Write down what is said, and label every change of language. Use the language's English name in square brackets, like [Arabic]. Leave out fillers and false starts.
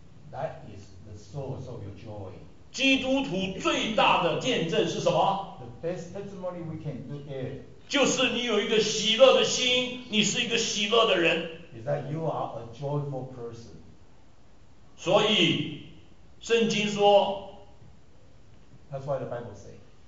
[English] That is the source of your joy. [Chinese] 基督徒最大的见证是什么？ [English] The best testimony we can do here. [Chinese] 就是你有一个喜乐的心，你是一个喜乐的人。 [English] Is that you are a joyful person? [Chinese] 所以，圣经说。 [English] That's why the Bible says.